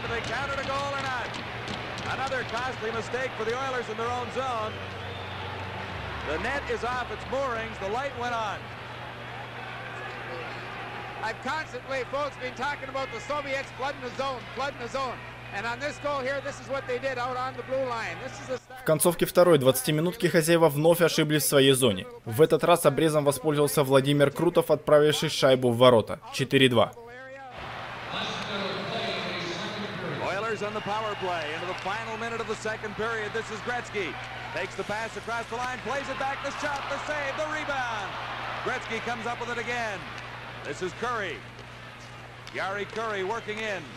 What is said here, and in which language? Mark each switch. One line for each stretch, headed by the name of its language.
English: Do they count it a goal or not? Another costly mistake for the Oilers in their own zone. The net is off its moorings. The light went on. I've constantly, folks, been talking about the Soviets flooding the zone, flooding the zone. And on this goal here, this is what they did out on the blue line. This is the start.
Russian: В концовке второй 20 минутки хозяева вновь ошиблись в своей зоне. В этот раз обрезом воспользовался Владимир Крутов, отправивший шайбу в ворота. 4-2.
English: Oilers on the power play into the final minute of the second period. This is Gretzky. Takes the pass across the line, plays it back, the shot, the save, the rebound. Gretzky comes up with it again. This is Curry. Yari Curry working in.